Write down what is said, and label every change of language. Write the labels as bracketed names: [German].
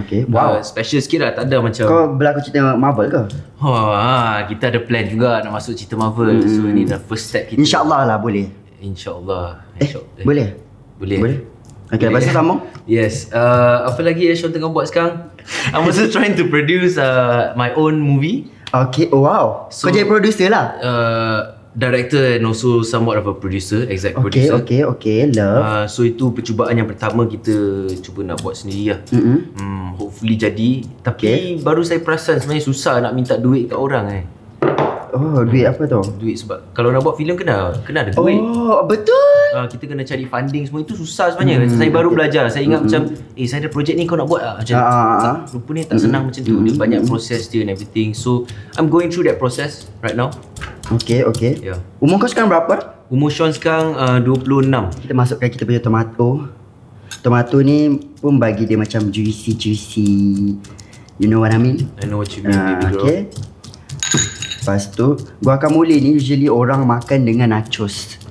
[English] Okay. Wow. [Malay] Special sikit lah, tak ada macam. Kau berlaku cerita Marvel ke? Kita ada plan juga nak masuk cerita Marvel. So ini dah first step kita. InsyaAllah lah, boleh. InsyaAllah. Boleh? Boleh. Okay, lepas tu sambung. [English] Yes. [Malay] Apa lagi yang Sean tengah buat sekarang? [English] I'm also trying to produce my own movie. Okay, oh wow. [Malay] So, kau jadi producer lah? [English] Director and also somewhat of a producer, exact producer. Okay, love. [Malay] So itu percubaan yang pertama kita cuba nak buat sendiri lah. Hopefully jadi. Tapi baru saya perasan sebenarnya susah nak minta duit kat orang . Oh, duit apa tu? Duit sebab kalau nak buat filem kena ada duit. Oh, betul. Kita kena cari funding semua, itu susah sebenarnya. Saya baru belajar. Saya ingat macam, saya ada projek ni kau nak buat lah. Macam, rupanya tak senang macam tu. Dia banyak proses dia [English] and everything. So, I'm going through that process right now. Okay. Yeah. [Malay] Umur kau sekarang berapa? Umur Sean sekarang 26. Kita masukkan kita punya tomato. Tomato ni pun bagi dia macam juicy. [English] You know what I mean? I know what you mean, baby girl. [Malay] Okay. Lepas tu, guacamole ni usually orang makan dengan nachos.